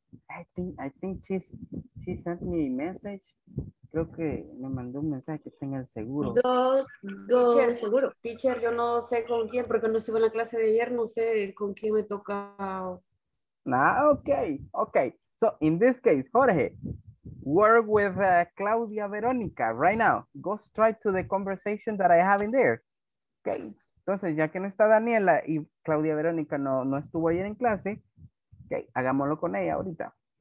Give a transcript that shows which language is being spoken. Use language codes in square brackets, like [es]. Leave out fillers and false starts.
[en] I think she sent me a message. [es] Creo que me mandó un mensaje que tenga el seguro. Dos, seguro. Teacher, yo no sé con quién, porque no estuve en la clase de ayer, no sé con quién me toca. Nah, okay. [en] So, in this case, Jorge, work with Claudia Verónica right now. Go straight to the conversation that I have in there. [es] Okay, entonces, ya que no está Daniela y Claudia Verónica no estuvo ayer en clase, okay, hagámoslo con ella ahorita.